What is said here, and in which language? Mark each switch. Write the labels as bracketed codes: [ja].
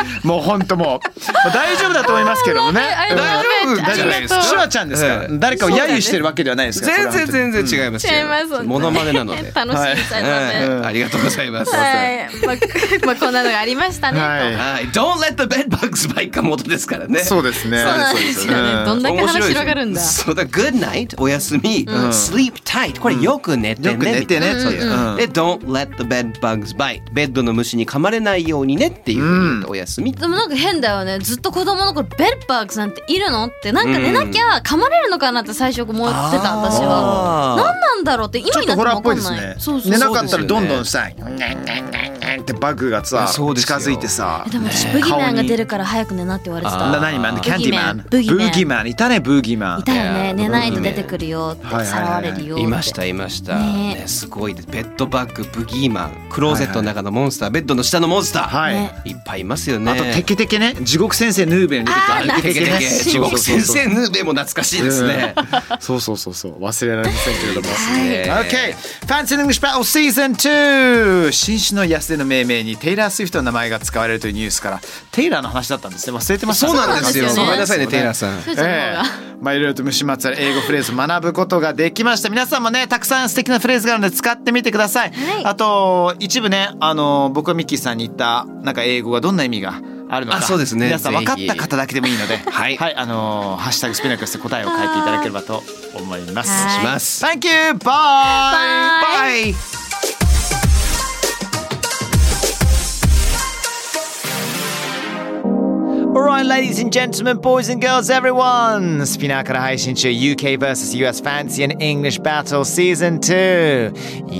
[ja] もう本当もう大丈夫だと思いますけどもね。大丈夫大丈夫。シュワちゃんですか、誰かを揶揄してるわけではないですか、ね、全然全然違いますよ。違います、モノマネなので楽しみたいので、はい、ありがとうございます、はい、まあまあ、こんなのがありましたね、はい、 [en] Don't let the bedbugs bite [ja] が元ですからね。そうですね、どんだけ話広がるんだ。そうだ、 [en] Good night [ja] おやすみ、うん、 [en] Sleep tight [ja] これよく寝てね、よく寝てね、そういう、で [en] Don't let the bedbugs bite、 [ja] ベッドの虫に噛まれないようにねっていう、おやすみ。でもなんか変だよね、ずっと子供の頃ベッドバグなんているのって、なんか寝なきゃ噛まれるのかなって最初思ってた。私は何なんだろうって意味なんても分かんない。ちょっとホラーっぽいですね。寝なかったらどんどんさ、ね、ねんねんねんってバグがさ近づいてさ、でもブギーマンが出るから早く寝なって言われてた。何マン、キャンディマン、ブギーマン、ブギーマンいたね、ブギーマンいたよね、寝ないと出てくるよって、はいはいはい、さらわれるよって、いましたいました、ね、すごいベッドバグ、ブギーマン、クローゼットの中のモンスター、はいはい、ベッドの下のモンスター、はい、ね、いっぱいいますよね。あとテケテケね、地獄先生ヌーベルに出てくる。テケテケ、地獄先生ヌーベも懐かしいですね。そうそうそうそう、忘れられませんけれども、はい、 [en] OK Fancy English Battle Season 2、 [ja] 新種の安手性の命名にテイラー・スウィフトの名前が使われるというニュースからテイラーの話だったんですね。忘れてました。そうなんですよ、ごめんなさいね、テイラーさん、まあ、いろいろと虫まつわる英語フレーズ学ぶことができました。皆さんもね、たくさん素敵なフレーズがあるので使ってみてください、はい、あと一部ね、僕はミッキーさんに言ったなんか英語がどんな意味があるのか、あ、そうですね、皆さん分かった方だけでもいいので、はい、はい、ハッシュタグスピナクスで答えを書いていただければと思います。お願いします。 [en] Thank you! Bye! Bye! Bye! Alright, ladies and gentlemen, boys and girls, everyone! [ja] スピナーから配信中 [en] UK vs. US Fancy and English Battle Season 2!